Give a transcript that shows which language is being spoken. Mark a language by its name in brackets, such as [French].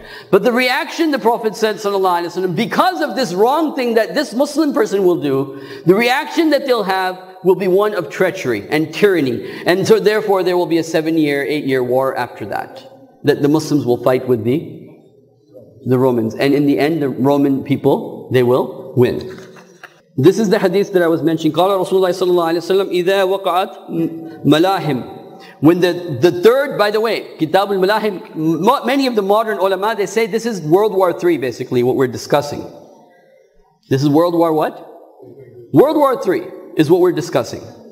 [English] But the reaction the Prophet said, sallallahu alaihi wasallam, because of this wrong thing that this Muslim person will do, the reaction that they'll have will be one of treachery and tyranny. And so therefore there will be a 7-year, 8-year war after that. That the Muslims will fight with the Romans. And in the end, the Roman people, they will win. This is the hadith that I was mentioning. [Arabic] قال رسول الله صلى الله عليه وسلم إذا وقعت ملاهم. [English] When the third, by the way, Kitab al-Malahim, many of the modern ulama, they say this is World War III basically, what we're discussing. This is World War what? World War III is what we're discussing.